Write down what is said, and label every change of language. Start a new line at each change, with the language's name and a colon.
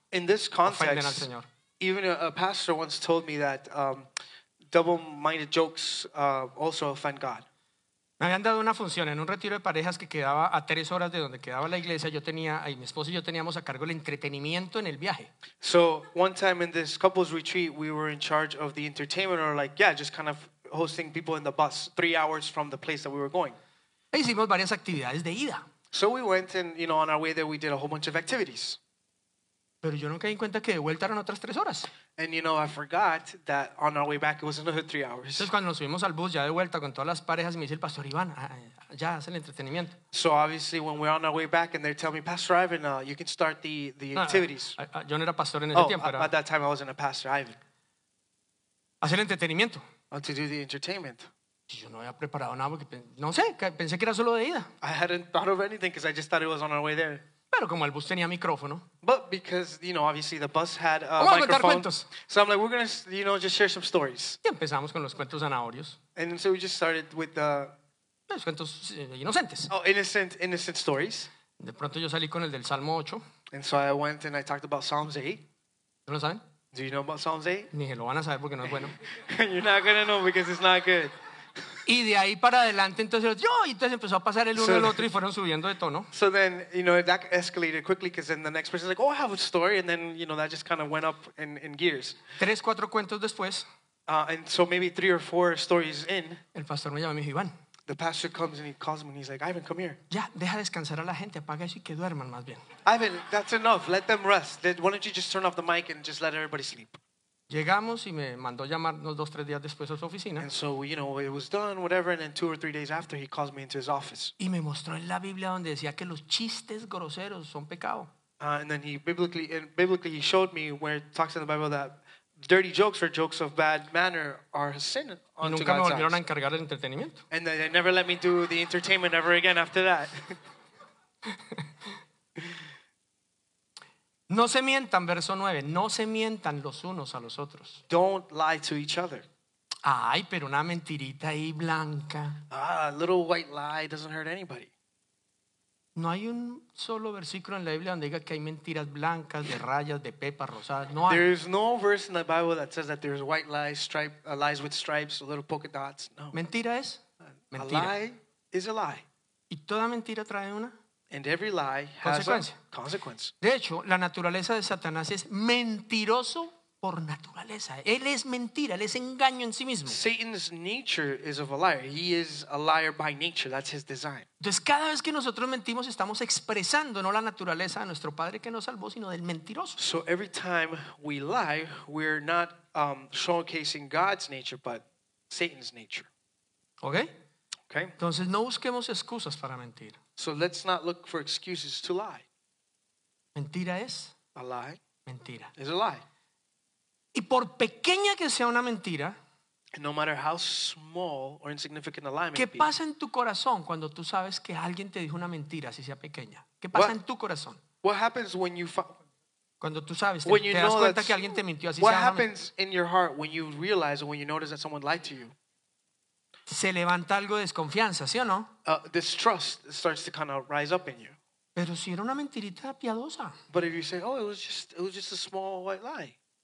Spanish: ofenden al Señor.
English: Even a pastor once told me that double-minded jokes also offend God.
Spanish: Me habían dado una función en un retiro de parejas que quedaba a 3 horas de donde quedaba la iglesia. Yo tenía, y mi esposo y yo teníamos a cargo el entretenimiento en el viaje.
English: So, one time in this couple's retreat, we were in charge of the entertainment, or like, yeah, just kind of hosting people in the bus 3 hours from the place that we were going.
Spanish: E hicimos varias actividades de ida.
English: So we went and, you know, on our way there, we did a whole bunch of activities.
Spanish: Pero yo no caí en cuenta que de vuelta eran otras 3 horas.
English: And you know, I forgot that on our way back it was another 3 hours.
Spanish: Entonces cuando nos subimos al bus ya de vuelta con todas las parejas, me dice el pastor Iván, ya hace el entretenimiento.
English: So obviously when we're on our way back and they tell me, Pastor Ivan, you can start the activities.
Spanish: Yo no era pastor en ese tiempo.
English: Oh, at that time I wasn't a pastor, Ivan.
Spanish: Hacer el entretenimiento.
English: To do the entertainment.
Spanish: Yo no había preparado nada porque, no sé, pensé que era solo de ida.
English: I hadn't thought of anything because I just thought it was on our way there.
Spanish: Pero como el bus tenía micrófono.
English: But because, you know, obviously the bus had a microphone. So I'm like, we're going to, you know, just share some stories.
Spanish: Y empezamos con los cuentos zanahorios.
English: And so we just started with the...
Spanish: Los cuentos inocentes.
English: Oh, innocent stories.
Spanish: De pronto yo salí con el del Salmo 8.
English: And so I went and I talked about Psalms 8.
Spanish: ¿No lo saben?
English: Do you know about Psalms 8?
Spanish: Ni lo van a saber porque no es bueno.
English: You're not going to know because it's not good.
Spanish: Y de ahí para adelante entonces yo y entonces empezó a pasar el uno al otro y fueron subiendo de tono.
English: So then, you know, that escalated quickly because then the next person's like, oh, I have a story, and then, you know, that just kind of went up in gears.
Spanish: Tres, cuatro cuentos después.
English: And so maybe three or four stories in.
Spanish: El pastor me llama, me dijo, Iván.
English: The pastor comes and he calls me and he's like, Ivan, come here.
Spanish: Ya, deja descansar a la gente, apaga eso y que duerman más bien.
English: Ivan, that's enough. Let them rest. Why don't you just turn off the mic and just let everybody sleep?
Spanish: Llegamos y me mandó llamarnos dos, tres días después a su oficina.
English: And so, you know, it was done, whatever, and then two or three days after, he calls me into his office.
Spanish: Y me mostró en la Biblia donde decía que los chistes groseros son pecado.
English: And then he biblically showed me where it talks in the Bible that dirty jokes or jokes of bad manner are a sin unto
Spanish: nunca
English: God's
Spanish: me volvieron A encargar el entretenimiento.
English: And they never let me do the entertainment ever again after that.
Spanish: No se mientan, verso 9. No se mientan los unos a los otros.
English: Don't lie to each other.
Spanish: Ay, pero una mentirita ahí blanca.
English: Ah, a little white lie doesn't hurt anybody.
Spanish: No hay un solo versículo en la Biblia donde diga que hay mentiras blancas, de rayas, de pepas, rosadas. No hay.
English: There is no verse in the Bible that says that there is white lies, lies with stripes, little polka dots.
Spanish: No. Mentira es mentira.
English: A lie is a lie.
Spanish: Y toda mentira trae una.
English: And every lie has a consequence.
Spanish: De hecho, la naturaleza de Satanás es mentiroso por naturaleza. Él es mentira, él es engaño en sí mismo.
English: Satan's nature is of a liar. He is a liar by nature. That's his design.
Spanish: Entonces, cada vez que nosotros mentimos, estamos expresando no la naturaleza de nuestro Padre que nos salvó, sino del mentiroso.
English: So every time we lie, we're not showcasing God's nature, but Satan's nature.
Spanish: ¿Okay?
English: Okay.
Spanish: Entonces, no busquemos excusas para mentir.
English: So let's not look for excuses to lie.
Spanish: Mentira es
English: a lie.
Spanish: Mentira
English: is a lie.
Spanish: Y por pequeña que sea una mentira,
English: no matter how small or insignificant a lie may be,
Spanish: ¿qué pasa en tu corazón cuando tú sabes que alguien te dijo una mentira, si sea pequeña? ¿Qué pasa en tu corazón?
English: What happens when you
Spanish: cuando tú sabes, te das cuenta que alguien te mintió, así sea.
English: What happens in your heart when you realize or when you notice that someone lied to you?
Spanish: Se levanta algo de desconfianza, ¿sí o no?
English: Distrust starts to kind of rise up in you.
Spanish: Pero si era una mentirita piadosa.
English: But if you say, oh, it was just a small white lie.